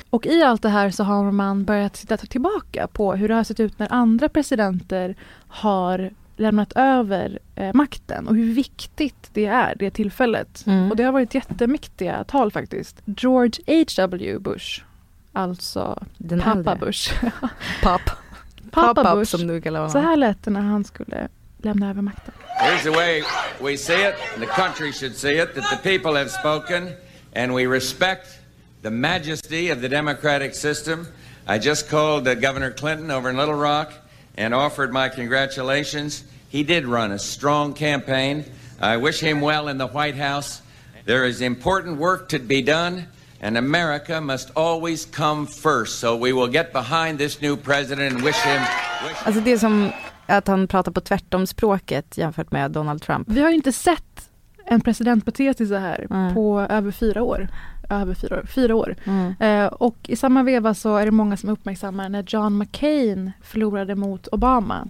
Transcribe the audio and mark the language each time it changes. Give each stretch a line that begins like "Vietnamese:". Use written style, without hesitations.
Swedish: Och i allt det här så har man börjat titta tillbaka på hur det har sett ut när andra presidenter har lämnat över makten och hur viktigt det är det tillfället. Mm. Och det har varit jättemäktiga tal faktiskt. George H.W. Bush, alltså den pappa äldre. Bush. Pappa Bush, som du kallar honom. Så här lät det när han skulle lämna över makten.
English: Here's the way we see it, and the country should see it, that the people have spoken, and we respect the majesty of the democratic system. I just called Governor Clinton over in Little Rock and offered my congratulations. He did run a strong campaign. I wish him well in the White House. There is important work to be done, and America must always come first. So we will get behind this new president and wish him...
Swedish: Alltså det som att han pratar på tvärtomspråket jämfört med Donald Trump. Vi har ju inte sett en president bete sig så här på över fyra år. Mm. Och i samma veva så är det många som uppmärksammar när John McCain förlorade mot Obama.